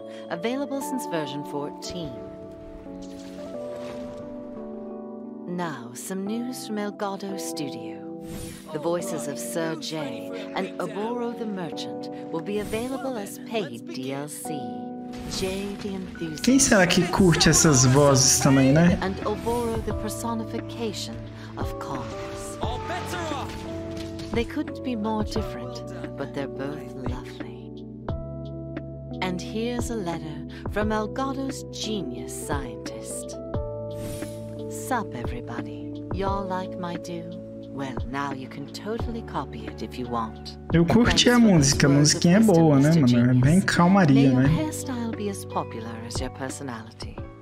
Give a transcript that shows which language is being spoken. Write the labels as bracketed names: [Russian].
[English] Available since version 14. Now, some news from Elgato Studio. The voices of Sir Jay and Oboro the Merchant will be available as paid DLC. Jay the Enthusiast. [Portuguese] Quem será que curte essas vozes também, né? [English] And Oboro the Personification of Calmness. They couldn't be more different, but they're both lovely. And here's a letter from Elgato's genius scientist. Sup, everybody. Y'all like my do? Well, now you can totally copy it if you want. [Portuguese] Eu curti a música. A musiquinha é boa, né, mano? É bem calmaria, né? [English] May your hairstyle be as popular as your personality.